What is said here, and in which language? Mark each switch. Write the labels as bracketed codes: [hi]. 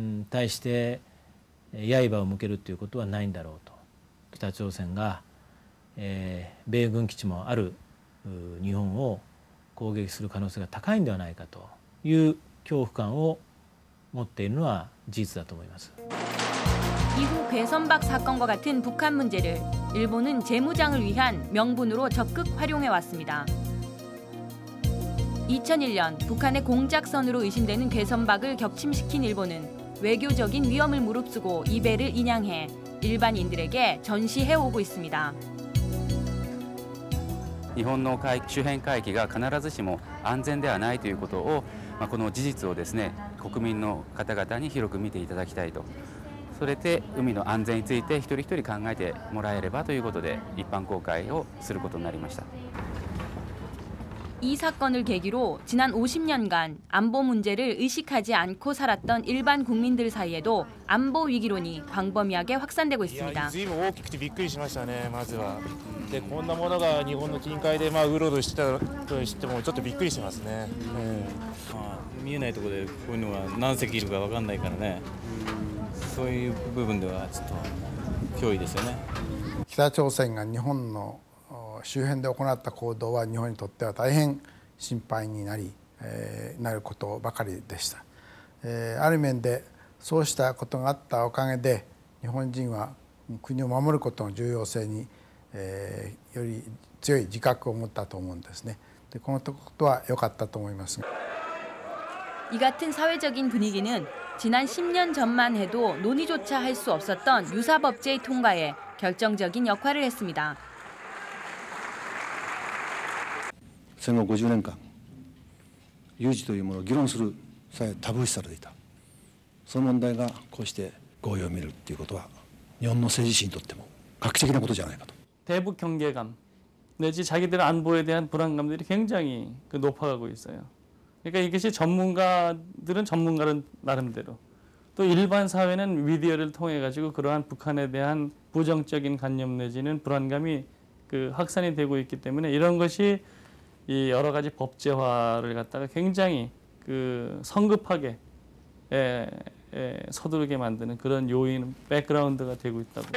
[ja] 対して刃を向けるということはないんだろうと北朝鮮が、米軍基地もある日本を攻撃する可能性が高いんではないかと。いう恐怖感を持っているのは事実だと思います。 [ko] 이후 괴선박 사건과 같은 북한 문제를 일본은 재무장을 위한 명분으로 적극 활용해왔습니다. 2001년 북한의 공작선으로 의심되는 괴선박을 격침시킨 일본은 외교적인 위험을 무릅쓰고 이베를 인양해 일반인들에게 전시해오고 있습니다. [ja] 日本の周辺海域が必ずしも安全ではないということを、この事実をですね、国民の方々に広く見ていただきたいと。それで海の安全について一人一人考えてもらえればということで一般公開をすることになりました。 [ko] 이 사건을 계기로 지난 50년간 안보 문제를 의식하지 않고 살았던 일반 국민들 사이에도 안보 위기론이 광범위하게 확산되고 있습니다. [ja] 北朝鮮が日本の 周辺で行った行動は日本にとっては大変心配になり、なることばかりでした。ある面でそうしたことがあったおかげで日本人は国を守ることの重要性により強い自覚を持ったと思うんですね。このことは良かったと思います。이 [ko] 같은 사회적인 분위기는 지난 10년 전만 해도 논의조차 할 수 없었던 유사법제의 통과에 결정적인 역할을 했습니다. [ja] 戦後 50년간 有事というものを議論する際タブー視されていた。その問題がこうして合意を見るっていうことは日本の政治史にとっても画期的なことじゃないかと。 [ko] 대북 경계감 내지 자기들 안보에 대한 불안감들이 굉장히 그 높아가고 있어요. 그러니까 이것이 전문가들은 전문가는 나름대로 또 일반 사회는 미디어를 통해 가지고 그러한 북한에 대한 부정적인 관념 내지는 불안감이 그 확산이 되고 있기 때문에 이런 것이 이 여러 가지 법제화를 갖다가 굉장히 그 성급하게 서두르게 만드는 그런 요인 백그라운드가 되고 있다고.